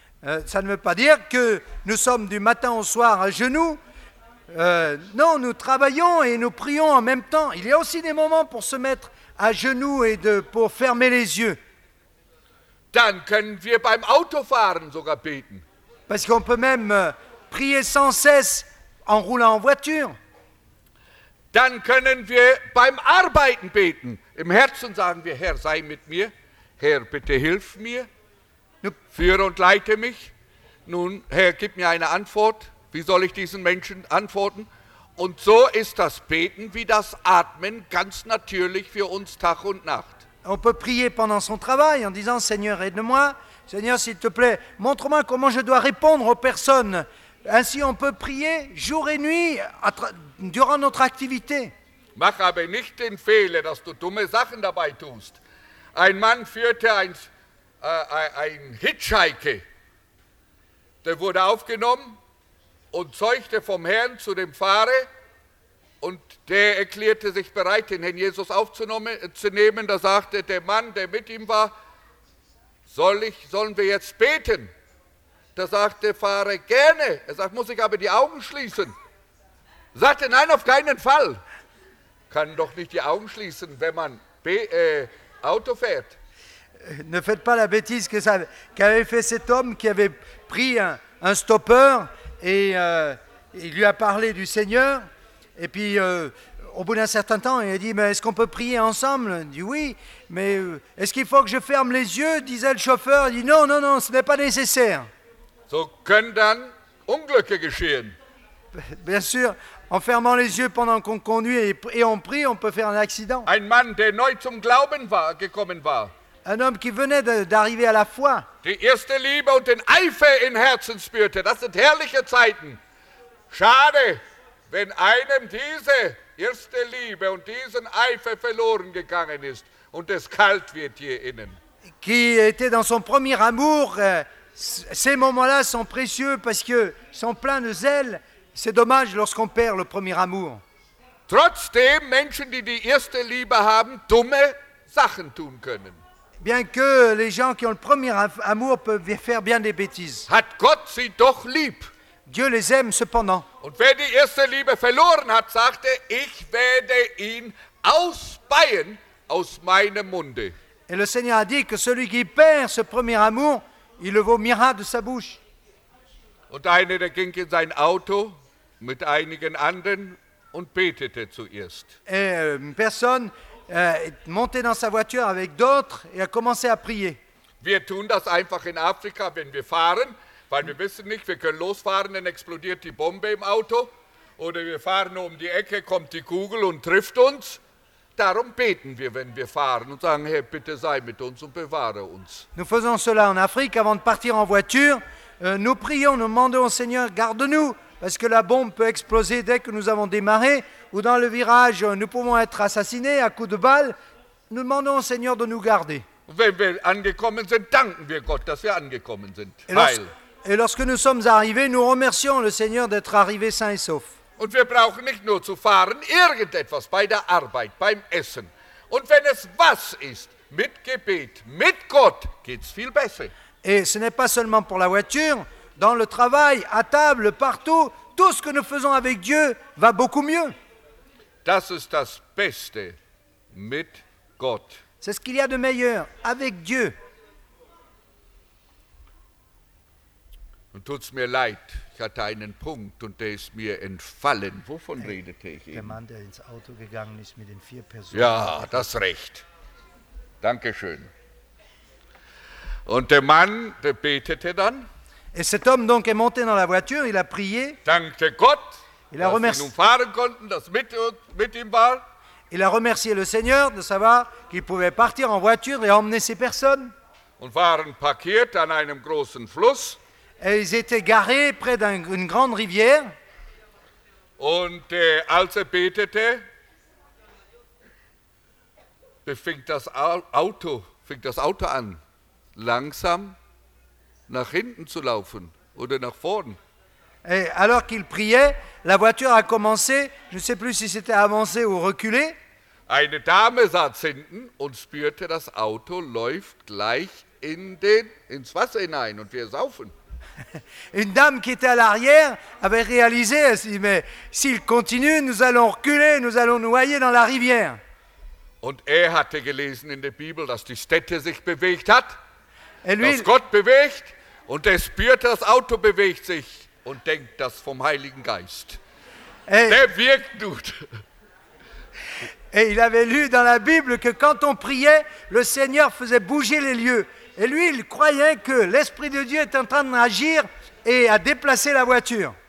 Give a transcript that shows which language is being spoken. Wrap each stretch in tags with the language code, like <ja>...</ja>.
<fr>Ça ne veut pas dire que nous sommes du matin au soir à genoux. Non, nous travaillons et nous prions en même temps. Il y a aussi des moments pour se mettre à genoux et pour fermer les yeux.</fr> <de>Dann können wir beim Autofahren sogar beten.</de> <fr>Parce qu'on peut même prier sans cesse en roulant en voiture.</fr> <de>Dann können wir beim Arbeiten beten. Im Herzen sagen wir, Herr, sei mit mir. Herr, bitte hilf mir. Führe und leite mich. Nun, Herr, gib mir eine Antwort. Wie soll ich diesen Menschen antworten? Und so ist das Beten wie das Atmen ganz natürlich für uns Tag und Nacht.</de> <fr>On peut prier pendant son travail en disant, Seigneur, aide-moi. Seigneur, s'il te plaît, montre-moi comment je dois répondre aux personnes. Ainsi, on peut prier jour et nuit durant notre activité.</fr> <de>Mach aber nicht den Fehler, dass du dumme Sachen dabei tust. Ein Mann führte ein Hitchhiker. Der wurde aufgenommen und zeugte vom Herrn zu dem Fahrer. Und der erklärte sich bereit, den Herrn Jesus aufzunehmen. Da sagte der Mann, der mit ihm war, sollen wir jetzt beten? Da sagte der Fahrer, gerne. Er sagt, muss ich aber die Augen schließen? Er sagte, nein, auf keinen Fall. Kann doch nicht die Augen schließen, wenn man Auto fährt.</de> <fr>Ne faites pas la bêtise que ça, qu'avait fait cet homme qui avait pris un stopper et il lui a parlé du Seigneur. Et puis, au bout d'un certain temps, il a dit, mais est-ce qu'on peut prier ensemble? Il dit, oui, mais est-ce qu'il faut que je ferme les yeux? Disait le chauffeur, il dit, non, non, non, ce n'est pas nécessaire.</fr> <de>So können dann Unglücke geschehen.</de> <fr>Bien sûr, en fermant les yeux pendant qu'on conduit et on prie, on peut faire un accident.</fr> <de>Ein Mann, der neu zum Glauben war, gekommen war.</de> <fr>Un homme qui venait d'arriver à la foi.</fr> <de>Die erste Liebe und den Eifer in Herzen spürte, das sind herrliche Zeiten. Schade. Wenn einem diese erste Liebe und diesen Eifer verloren gegangen ist und es kalt wird hier innen.</de> <fr>Qui était dans son premier amour, ces moments-là sont précieux parce que sont pleins de zèle. C'est dommage lorsqu'on perd le premier amour.</fr> <de>Trotzdem Menschen, die erste Liebe haben, dumme Sachen tun können.</de> <fr>Bien que les gens qui ont le premier amour peuvent faire bien des bêtises.</fr> <de>Hat Gott sie doch lieb.</de> <fr>Dieu les aime cependant.</fr> <de>Und wer die erste Liebe verloren hat, sagte, ich werde ihn ausspeien aus meinem Munde.</de> <fr>Et le Seigneur a dit que celui qui perd ce premier amour, il le vomira de sa bouche.</fr> <de>Und einer, der ging in sein Auto mit einigen anderen und betete zuerst.</de> <fr>Et une personne est montée dans sa voiture avec d'autres et a commencé à prier.</fr> <de>Wir tun das einfach in Afrika, wenn wir fahren. Weil wir wissen nicht, wir können losfahren, dann explodiert die Bombe im Auto. Oder wir fahren um die Ecke, kommt die Kugel und trifft uns. Darum beten wir, wenn wir fahren und sagen, Herr, bitte sei mit uns und bewahre uns.</de> <fr>Nous faisons cela en Afrique avant de partir en voiture. Nous prions, nous demandons au Seigneur, garde-nous, parce que la bombe peut exploser dès que nous avons démarré. Ou dans le virage, nous pouvons être assassinés à coups de balle. Nous demandons au Seigneur de nous garder.</fr> <de>Und wenn wir angekommen sind, danken wir Gott, dass wir angekommen sind. Heil.</de> <fr>Et lorsque nous sommes arrivés, nous remercions le Seigneur d'être arrivé sain et sauf.</fr> <de>Und wir brauchen nicht nur zu fahren, irgendetwas bei der Arbeit, beim Essen. Und wenn es was ist, mit Gebet, mit Gott, geht's viel besser.</de> <fr>Et ce n'est pas seulement pour la voiture, dans le travail, à table, partout, tout ce que nous faisons avec Dieu va beaucoup mieux.</fr> <de>Das ist das Beste mit Gott.</de> <fr>C'est ce qu'il y a de meilleur avec Dieu.</fr> <de>Und tut's mir leid, ich hatte einen Punkt und der ist mir entfallen. Wovon redete ich eben? Der Mann, der ins Auto gegangen ist mit den vier Personen. Ja, das recht. Dankeschön. Und der Mann, der betete dann.</de> <fr>Et cet homme donc est monté dans la voiture, il a prié.</fr> <de>Dankte Gott, dass wir nun fahren konnten, dass mit ihm war.</de> <fr>Il a remercié le Seigneur de savoir qu'il pouvait partir en voiture et emmener ces personnes.</fr> <de>Und waren parkiert an einem großen Fluss.</de> <fr>Et ils étaient garés près d'une grande rivière.</fr> <de>Und als er betete, fing das Auto an, langsam nach hinten zu laufen oder nach vorn.</de> <fr>Et alors qu'il priait, la voiture a commencé, je ne sais plus si c'était avancé ou reculé.</fr> <de>Eine Dame saß hinten und spürte, das Auto läuft gleich ins Wasser hinein und wir saufen.</de> <fr>Une dame qui était à l'arrière avait réalisé, elle s'est dit, mais s'il continue, nous allons reculer, nous allons noyer dans la rivière.</fr> <de>Und er hatte gelesen in der Bibel, dass die Städte sich bewegt hat, dass Gott bewegt und er spürt, das Auto bewegt sich und denkt, das vom Heiligen Geist. Der wirkt gut.</de> <fr>Et il avait lu dans la Bible que quand on priait, le Seigneur faisait bouger les lieux. Et lui, il croyait que l'Esprit de Dieu est en train d'agir et a déplacé la voiture.</fr>